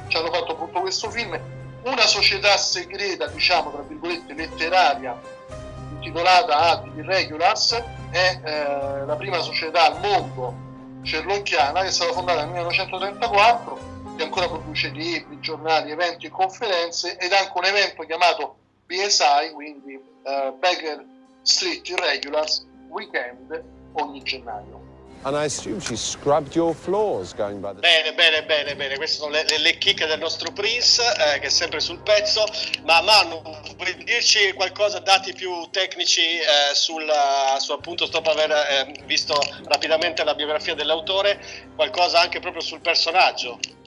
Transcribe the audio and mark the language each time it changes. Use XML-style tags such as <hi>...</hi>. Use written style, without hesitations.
<it>Ci hanno fatto appunto questo film, una società segreta, diciamo, tra virgolette, letteraria, intitolata The Irregulars, è la prima società al mondo sherlockiana, che è stata fondata nel 1934, che ancora produce libri, giornali, eventi e conferenze, ed anche un evento chiamato BSI, quindi Baker Street Irregulars, weekend ogni gennaio.</it> <en>And I assume she scrubbed your floors going by the...</en> <it>Bene, bene, bene, bene. Queste sono le chicche del nostro Prince, che è sempre sul pezzo. Ma Manu, vuoi dirci qualcosa, dati più tecnici, su appunto, dopo aver visto rapidamente la biografia dell'autore, qualcosa anche proprio sul personaggio?</it>